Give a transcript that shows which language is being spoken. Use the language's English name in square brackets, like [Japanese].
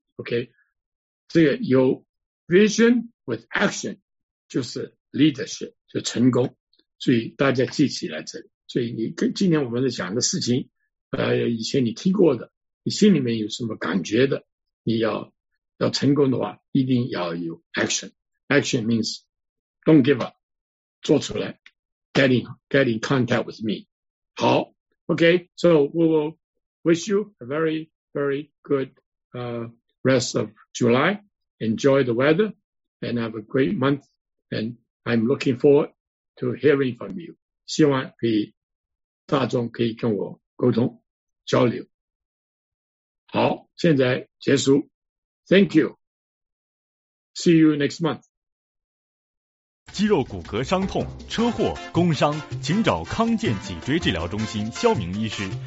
[English] OK， [Chinese] 这个有 [English] vision with action。 [Chinese] 就是 leadership， 就成功，所以大家记起来这里。所以你跟今天我们讲的事情，以前你听过的，你心里面有什么感觉的，你要成功的话，一定要有 action。 [English] Action means don't give up， [Chinese] 做出来 [English] ，getting contact with me。好 ，OK， so we will wish you a very very good rest of July， enjoy the weather， and have a great month。 And I'm looking forward to hearing from you. [Chinese] 希望可以大众可以跟我沟通交流。好，现在结束。 [English] Thank you. See you next month. [Chinese] 肌肉骨骼伤痛、车祸、工伤，请找康健脊椎治疗中心肖明医师。